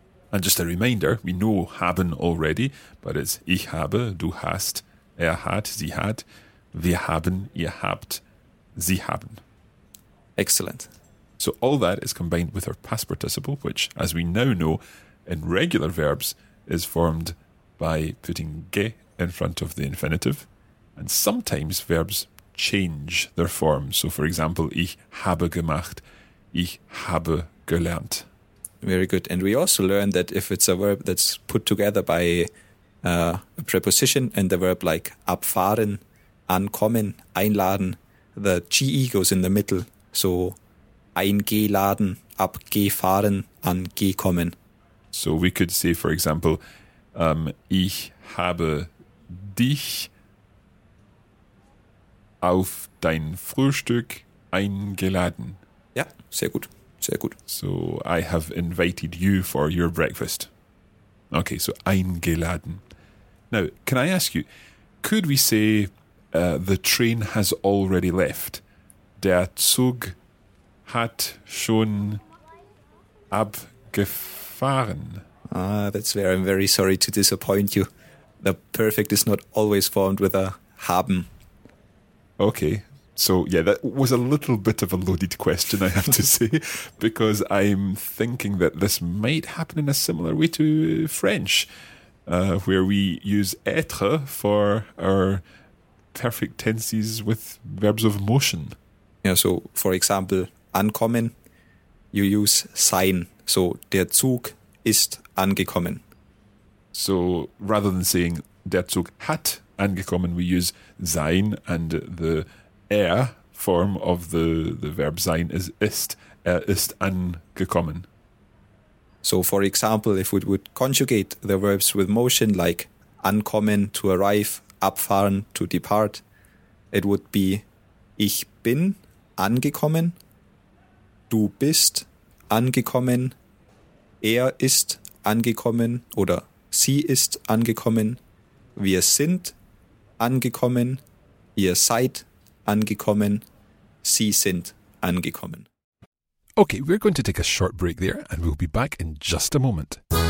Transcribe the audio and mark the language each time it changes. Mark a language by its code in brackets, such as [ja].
[en] And just a reminder, we know [de] haben [en] already, but it's [de] ich habe, du hast, er hat, sie hat, wir haben, ihr habt, sie haben. [en] Excellent. So all that is combined with our past participle, which, as we now know, in regular verbs, is formed by putting ge in front of the infinitive. And sometimes verbs change their form. So, for example, [de] ich habe gemacht, ich habe gelernt. Very good. [en] And we also learned that if it's a verb that's put together by a preposition and the verb like abfahren, ankommen, einladen, the GE goes in the middle. [de] So eingeladen, abgefahren, angekommen. [en] So we could say, for example, [de] ich habe dich auf dein Frühstück eingeladen. Ja, sehr gut. Sehr gut. [en] So I have invited you for your breakfast. Okay, so eingeladen. Now, can I ask you, could we say the train has already left? [de] Der Zug hat schon abgefahren. [en] Ah, that's where I'm very sorry to disappoint you. The perfect is not always formed with a haben. Okay. So, yeah, that was a little bit of a loaded question, I have to say, because I'm thinking that this might happen in a similar way to French, where we use être for our perfect tenses with verbs of motion. Yeah, so, for example, ankommen, you use sein. [de] So, der Zug ist angekommen. [en] So, rather than saying [de] der Zug hat angekommen, [en] we use sein and the form of the verb sein is ist. [de] Er ist angekommen. [en] So, for example, if we would conjugate the verbs with motion like [de] ankommen, [en] to arrive, [de] abfahren, [en] to depart, it would be [de] ich bin angekommen, du bist angekommen, er ist angekommen oder sie ist angekommen, wir sind angekommen, ihr seid angekommen, sie sind angekommen. [en] Okay, we're going to take a short break there and we'll be back in just a moment.